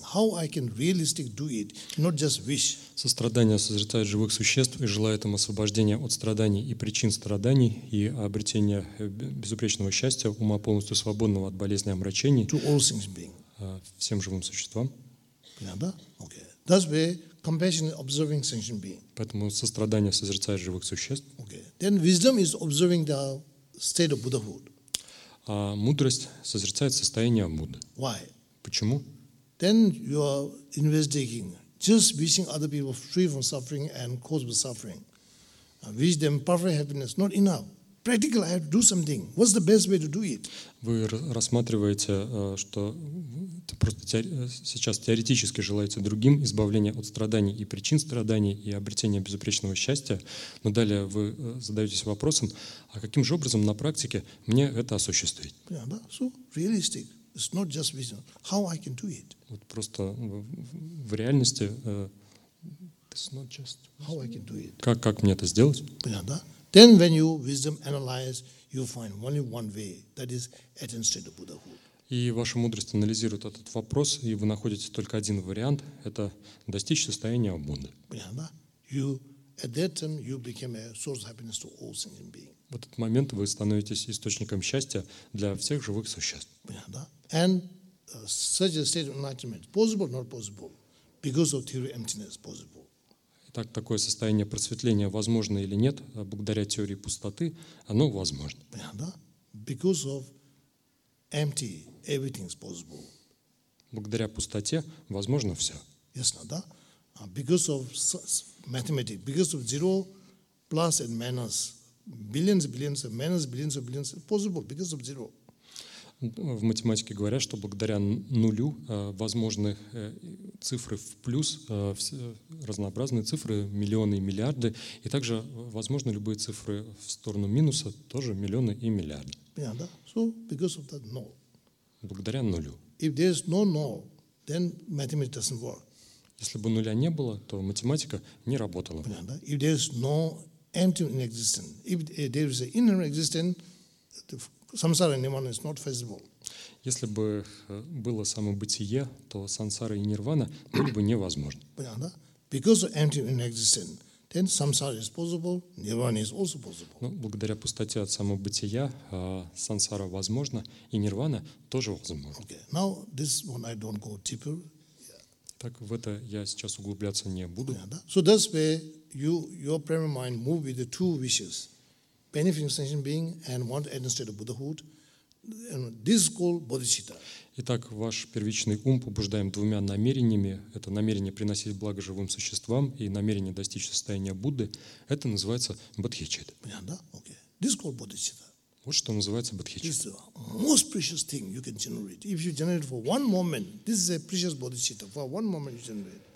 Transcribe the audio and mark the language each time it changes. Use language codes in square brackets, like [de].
[en] How I can realistically do it, not just wish. [ru] Сострадание созерцает живых существ и желает им освобождения от страданий и причин страданий и обретения безупречного счастья, ума полностью свободного от болезни и омрачений. [en] To all things being. [ru] Всем живым существам. Понятно? [en] Okay. That's where compassion is observing sentient being. [ru] Поэтому сострадание созерцает живых существ. [en] Okay. Then wisdom is observing the state of Buddhahood. [ru] А мудрость созерцает состояние Будды. [en] Why? [ru] Почему? [en] Then you are investigating, just wishing other people free from suffering and cause of suffering. Wish them perfect happiness, not enough. Practical, I have to do something. What's the best way to do it? [ru] Вы рассматриваете, что просто сейчас теоретически желаете другим избавления от страданий и причин страданий и обретения безупречного счастья, но далее вы задаетесь вопросом, а каким же образом на практике мне это осуществить? [en] Yeah, but so realistic. It's not just vision. How I can do it? [ru] Вот просто в реальности. [en] It's not just. How I can do it? [ru] Как мне это сделать? Понятно, да? [en] Then when you wisdom analyze, you find only one way. That is attain state of Buddhahood. [ru] И ваша мудрость анализирует этот вопрос, и вы находите только один вариант. Это достичь состояния Будды. Понятно, да? [en] You at that time you became a source of happiness to all sentient beings. [ru] В этот момент вы становитесь источником счастья для всех живых существ. Понятно, да? [en] And such a state of enlightenment possible, not possible, because of theory emptiness possible. [ru] Итак, такое состояние просветления возможно или нет, благодаря теории пустоты, оно возможно. Понятно, да? [en] Because of empty, everything is possible. [ru] Благодаря пустоте возможно все. Ясно, да? [en] Because of mathematics, because of zero plus and minus. Billions, billions, minus, billions, billions, possible because of zero. [ru] В математике говорят, что благодаря нулю возможны цифры в плюс, разнообразные цифры, миллионы и миллиарды, и также возможны любые цифры в сторону минуса, тоже миллионы и миллиарды. Понятно? [en] So, because of that null. [ru] Благодаря нулю. [en] If there is no null, then mathematics doesn't work. [ru] Если бы нуля не было, то математика не работала. Понятно? [en] If there is no empty in existence. If there is an inner existence, samsara and nirvana is not feasible. [ru] Если бы было самобытие, то сансара и нирвана были бы невозможны. Понятно? [en] Because of empty in existence, then samsara is possible, nirvana is also possible. [ru] Но благодаря пустоте от самобытия, сансара возможна, и нирвана тоже возможна. [en] Okay. Now this one I don't go deeper. [ru] Так в это я сейчас углубляться не буду. [en] So that's where your primary mind move with the two wishes, benefiting sentient being and want to attain state of Buddhahood. And this is called bodhicitta. [ru] Итак, ваш первичный ум побуждаем двумя намерениями. Это намерение приносить благо живым существам и намерение достичь состояния Будды. Это называется бодхичитта. Понятно, да? [en] Okay. This is called bodhicitta. [ru] Вот что называется бодхичитта. [en] This is the most precious thing you can generate. If you generate for one moment, this is a precious bodhicitta. For one moment you generate.